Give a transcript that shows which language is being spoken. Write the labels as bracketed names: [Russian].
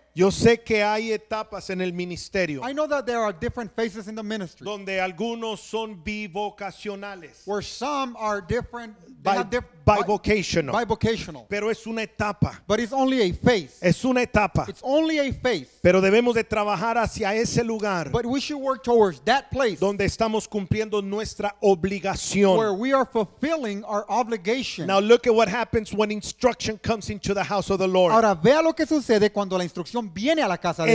[Spanish] Yo sé que hay etapas en el ministerio. [English] I know that there are different phases in the ministry. [Spanish] Donde algunos son bivocacionales. [English] Where some are different. [Spanish] Bivocational. Pero es una etapa. [English] But it's only a phase. [Spanish] Es una etapa. [English] It's only a phase. [Spanish] Pero debemos de trabajar hacia ese lugar. [English] But we should work towards that place. [Spanish] Donde estamos cumpliendo nuestra obligación. [English] Where we are fulfilling our obligation. Now look at what happens when instruction comes into the house of the Lord. [Spanish] Ahora vea lo que sucede cuando la instrucción viene a la casa del